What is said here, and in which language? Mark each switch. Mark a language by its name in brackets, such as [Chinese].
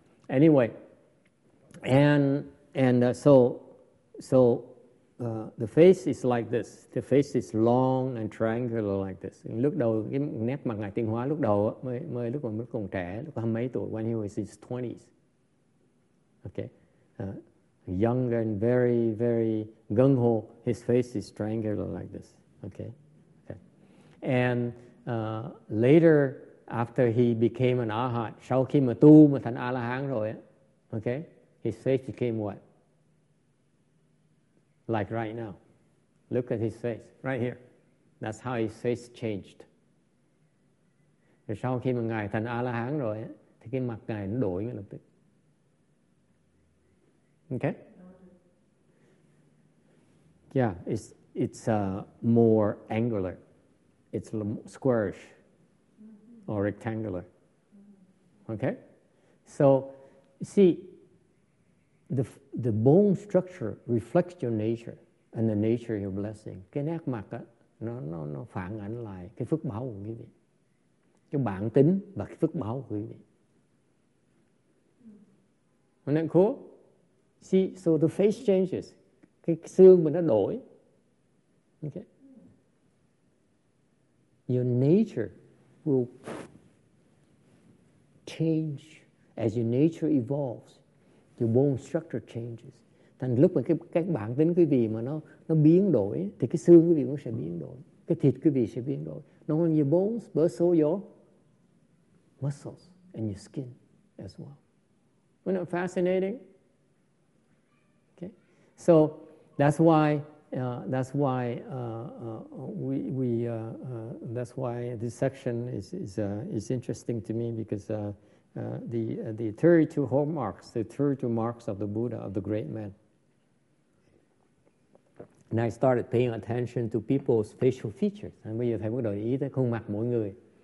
[English] Anyway, the face is like this. The face is long and triangular like this. [Vietnamese] Lúc đầu cái nét mặt ngài tiên hóa lúc đầu mới lúc còn trẻ, lúc hai mấy tuổi, [English] when he was his 20s. Okay. Young and very, very gung ho, his face is triangular like this. Okay. And later, after he became an arhat, [Vietnamese] sau khi mà tu mà thành a la hán rồi, [English] okay, his face became what? Like right now. Look at his face, right here. That's how his face changed. [Vietnamese] Sau khi mà ngài thành a la hán rồi, thì cái mặt ngài nó đổi ngay lập tức. [English] Okay? Yeah, it's more angular. It's squarish or rectangular. Okay? So, see, the bone structure reflects your nature and the nature of your blessing. [Vietnamese] Cái nét mặt á, nó phản ảnh lại cái phước báo của quý vị. Cái bản tính và cái phước báo của quý vị. [English] Isn't that cool? See, so the face changes. [Vietnamese] Cái xương mình nó đổi. [English] Okay. your nature will change as your nature evolves. Your bone structure changes. [Vietnamese] Thành lúc mà cái bản tính quý vị mà nó biến đổi thì cái xương quý vị cũng sẽ biến đổi, cái thịt quý vị sẽ biến đổi. [English] Not only your bones, but also your muscles and your skin as well. Isn't that fascinating? Okay, so that's why this section is interesting to me because the 32 hallmarks, the 32 marks of the Buddha, of the great man. And I started paying attention to people's facial features. [Vietnamese] And bây giờ thầy bắt đầu ý tới khuôn mặt mỗi người.